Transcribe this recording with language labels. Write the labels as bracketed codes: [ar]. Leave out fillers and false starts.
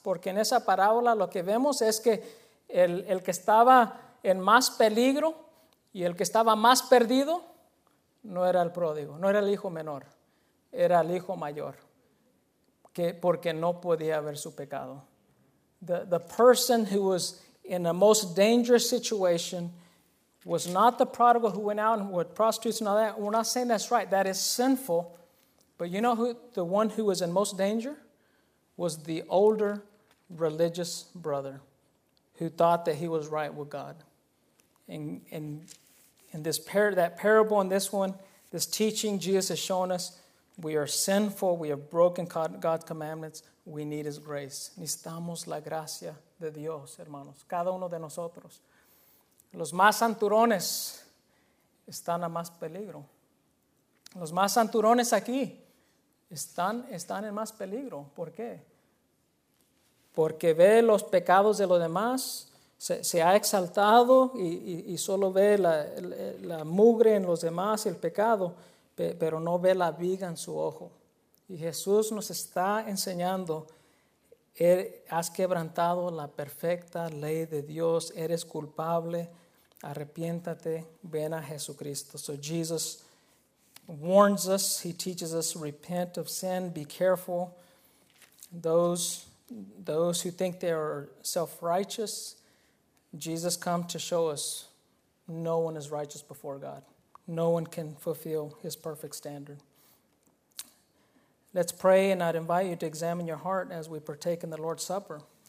[es] Porque en esa parábola lo que vemos es que el que estaba en más peligro y el que estaba más perdido no era el pródigo, no era el hijo menor, era el hijo mayor, porque no podía ver su pecado. [en] The person who was in the most dangerous situation was not the prodigal who went out and with prostitutes and all that. We're not saying that's right. That is sinful. But you know who the one who was in most danger? Was the older religious brother who thought that he was right with God. In this that parable and this one, this teaching Jesus has shown us, we are sinful, we have broken God's commandments, we need His grace. [es] Necesitamos la gracia de Dios, hermanos, cada uno de nosotros. Los más santurones están a más peligro. Los más santurones aquí están en más peligro. ¿Por qué? Porque ve los pecados de los demás, se ha exaltado y solo ve la mugre en los demás, el pecado, pero no ve la viga en su ojo. Y Jesús nos está enseñando, has quebrantado la perfecta ley de Dios, eres culpable, arrepiéntate, ven a Jesucristo. [en] So Jesus warns us, He teaches us, repent of sin, be careful. Those who think they are self-righteous, Jesus come to show us no one is righteous before God. No one can fulfill His perfect standard. Let's pray, and I'd invite you to examine your heart as we partake in the Lord's Supper.